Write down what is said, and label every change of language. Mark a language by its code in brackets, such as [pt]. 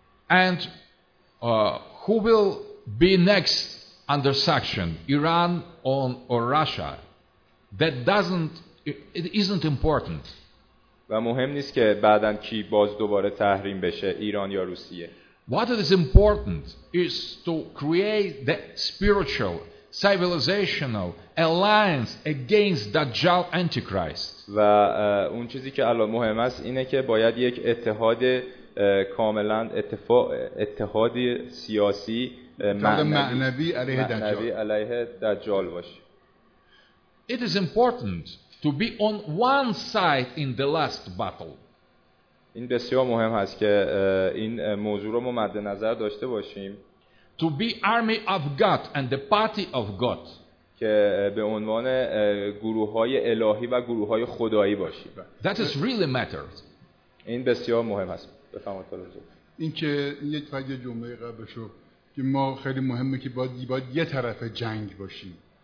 [en] And who will be next under sanction, Iran or Russia? That isn't important. [fa] و مهم نیست که بعداً کی باز دوباره تحریم بشه، ایران یا روسیه. [en] What is important is to create the spiritual, civilizational alliance against Dajjal Antichrist. [fa] و اون چیزی که الان مهم است اینه که باید یک اتحاد کاملاً اتحاد سیاسی معنوی علیه دجال باشه. [en] It is important to be on one side in the last battle. [fa] این بسیار مهم هست که این موضوع رو ما مد نظر داشته باشیم. [en] To be army of God and the party of God. [fa] که به عنوان گروه‌های الهی و گروه‌های خدایی باشیم. [en] That is really matters. [fa] این بسیار مهم هست. بفهمید تو لطفا. این که یه جمله قبلشو که ما خیلی مهمه که باید یه طرف جنگ باشیم.